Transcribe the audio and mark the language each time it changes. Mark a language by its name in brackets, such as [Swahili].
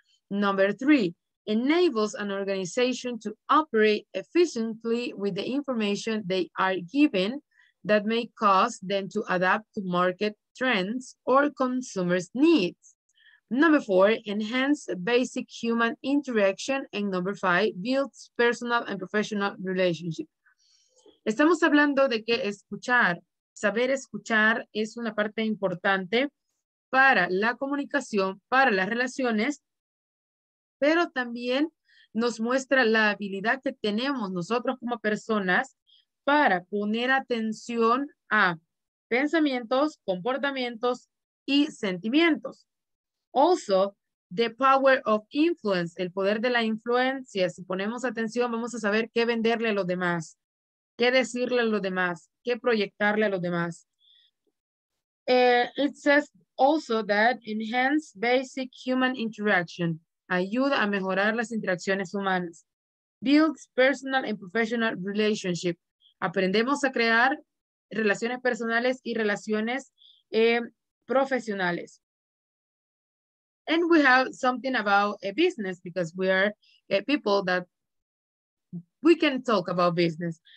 [English] Number three, enables an organization to operate efficiently with the information they are given that may cause them to adapt to market trends or consumers' needs. Number four, enhance basic human interaction. And number five, builds personal and professional relationships. [Spanish] Estamos hablando de que escuchar, saber escuchar es una parte importante para la comunicación, para las relaciones, pero también nos muestra la habilidad que tenemos nosotros como personas para poner atención a pensamientos, comportamientos y sentimientos. [English] Also, the power of influence, [Spanish] el poder de la influencia. Si ponemos atención, vamos a saber qué venderle a los demás, qué decirle a los demás, qué proyectarle a los demás. [English] It says also that enhance basic human interaction. [Spanish] Ayuda a mejorar las interacciones humanas. [English] Builds personal and professional relationship. [Spanish] Aprendemos a crear relaciones personales y relaciones profesionales. [English] And we have something about a business, because we are a people that we can talk about business.